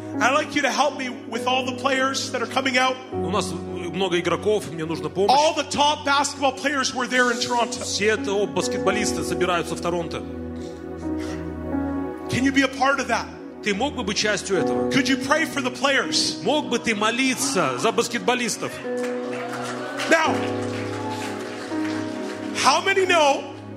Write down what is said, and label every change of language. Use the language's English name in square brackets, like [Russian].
[English] I'd like you to help me with all the players that are coming out. [Russian] У нас много игроков, мне нужна помощь. [English] All the top basketball players were there in Toronto. [Russian] Все топ баскетболисты собираются в Торонто. [English] Can you be a part of that? [Russian] Ты мог бы быть частью этого? [English] Could you pray for the players? [Russian] Мог бы ты молиться за баскетболистов? [English] Now, how many know?